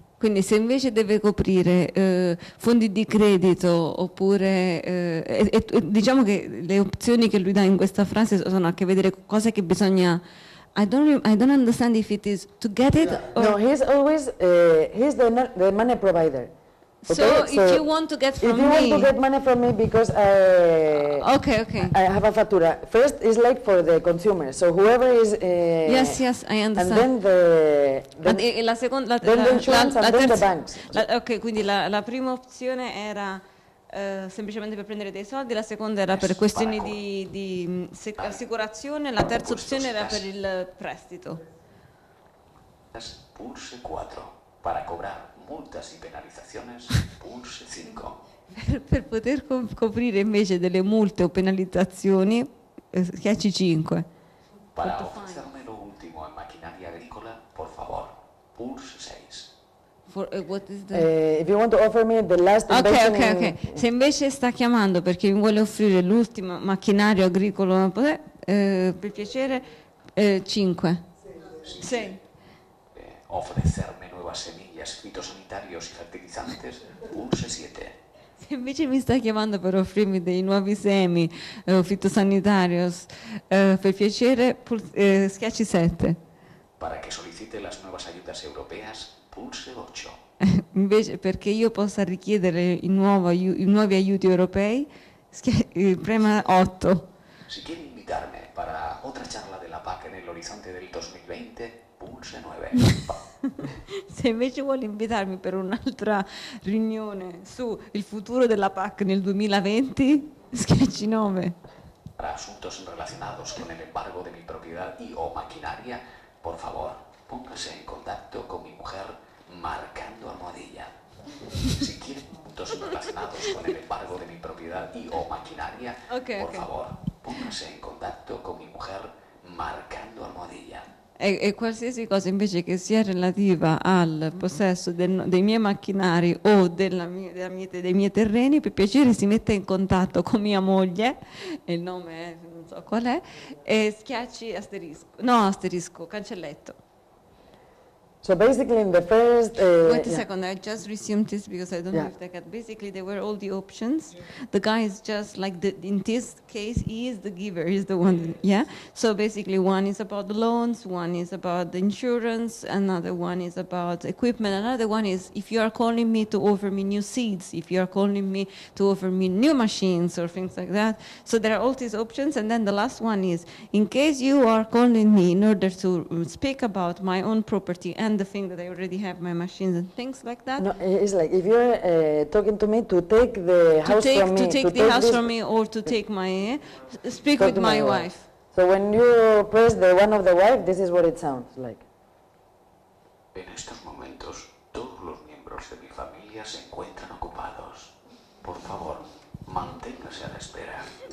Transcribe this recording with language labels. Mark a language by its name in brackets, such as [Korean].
[Italian] Quindi se invece deve coprire fondi di credito oppure, diciamo che le opzioni che lui dà in questa frase sono a che vedere con cose che bisogna. [English] I don't understand if it is to get it or no. He's always he's the money provider. Okay? So if you want to get from if you me, want to get money from me because I have a factura. First is like for the consumer. So whoever is yes, I understand. And then the banks. [Italian] Okay, quindi la prima opzione era semplicemente per prendere dei soldi, la seconda era per questioni di assicurazione, la terza opzione era per il prestito. [Spanish] Pulse 4, para cobrar multas y penalizaciones, pulse 5. [Italian] Per poter coprire invece delle multe o penalizzazioni, schiacci 5. [Spanish] Para ofrecerme lo último en maquinaria agrícola, por favor, pulse 6. [English] If you want to offer me the last okay. [Italian] Se invece sta chiamando perché mi vuole offrire l'ultimo macchinario agricolo per piacere 5. [Spanish] Sì. Ofrecerme nuove semillas fitosanitarie e fertilizzanti, pulse 7. [Italian] Se invece mi sta chiamando per offrirmi dei nuovi semi fitosanitari per piacere schiacci 7. [Spanish] Para que solicite las nuevas ayudas europeas, pulse 8. [Italian] Invece perché io possa richiedere i nuovi aiuti europei, prema 8. [Spanish] Si quiere invitarme para otra charla de la PAC en el horizonte del 2020, pulse 9. [Italian] Se invece vuole invitarmi per un'altra riunione su il futuro della PAC nel 2020, schiacci 9. [Spanish] Para asuntos relacionados con el embargo de mi propiedad y o maquinaria, por favor, póngase en contacto con mi mujer marcando almohadilla. Si quiere asuntos relacionados con el embargo de mi propiedad y o maquinaria, okay, por favor, póngase en contacto con mi mujer marcando almohadilla. [Italian] E qualsiasi cosa invece che sia relativa al possesso dei miei macchinari o dei miei terreni, per piacere si mette in contatto con mia moglie, e il nome è, non so qual è, e schiacci asterisco, no asterisco, cancelletto. [English] So basically in the first... Second, I just resumed this because I don't know if they got... Basically there were all the options. The guy is just like, in this case, he is the giver, he's the one, yeah? So basically one is about the loans, one is about the insurance, another one is about equipment, another one is if you are calling me to offer me new seeds, if you are calling me to offer me new machines or things like that. So there are all these options. And then the last one is, in case you are calling me in order to speak about my own property and the thing that I already have, my machines and things like that. No, it's like if you're talking to me to take the house from me. To take the house from me or to take my, speak with my wife. So when you press the one of the wife, this is what it sounds like. [Spanish] En estos momentos, todos los miembros de mi familia se encuentran ocupados. Por favor, manténgase a la espera.